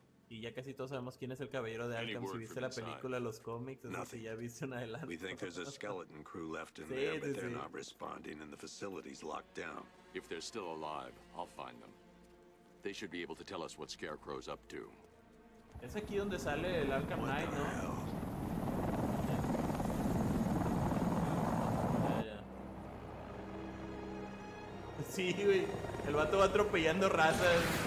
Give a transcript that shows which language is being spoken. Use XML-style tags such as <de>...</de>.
<es>Y ya casi todos sabemos quién es el caballero de Arkham. Si viste la película, los cómics, o si ya viste un adelanto.</es> <en>We think there's a skeleton crew left in there, but they're not responding, and the facility's locked down. If they're still alive, I'll find them. They should be able to tell us what Scarecrow's up to.</en> <es>Es aquí donde sale el Arkham Knight, ¿no? Sí, güey. El vato va atropellando razas.</es>